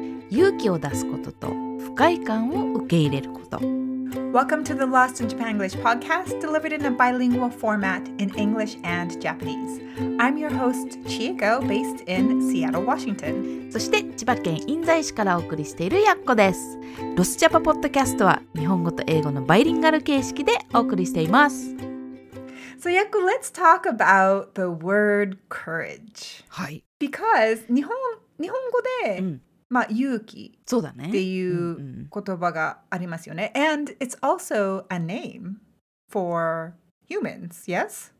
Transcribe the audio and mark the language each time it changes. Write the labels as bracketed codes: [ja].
[ja] 勇気を出すことと不快感を受け入れること。 [en] Welcome to the Lost in Japan English podcast, delivered in a bilingual format in English and Japanese. I'm your host, Chieko, based in Seattle, Washington. [ja] そして千葉県印西市からお送りしているやっこです。ロスジャパポッドキャストは日本語と英語のバイリンガル形式でお送りしています。 [en] So, Yaku, let's talk about the word courage. [ja] はい。 Because 日本語で、うん、まあ、勇気っていう言葉がありますよね。う [en] んうん、And it's also a name for humans, yes?